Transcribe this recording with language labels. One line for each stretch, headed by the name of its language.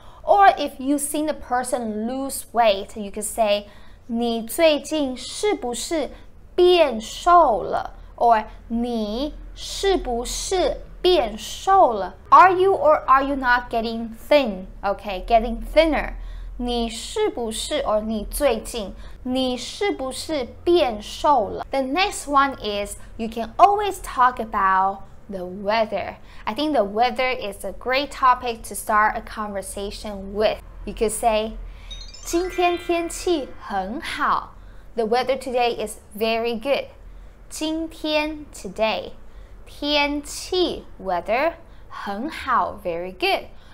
English: Or if you've seen the person lose weight, you could say
Chinese: 你最近是不是变瘦了? Or 你是不是变瘦了?
English: Are you or are you not getting thin? Okay, getting thinner.
Chinese: 你是不是 or 你最近你是不是变瘦了?
English: The next one is, you can always talk about the weather. I think the weather is a great topic to start a conversation with. You could say,
Chinese: 今天天气很好.
English: The weather today is very good. 今天 today, 天气 weather, 很好 very good.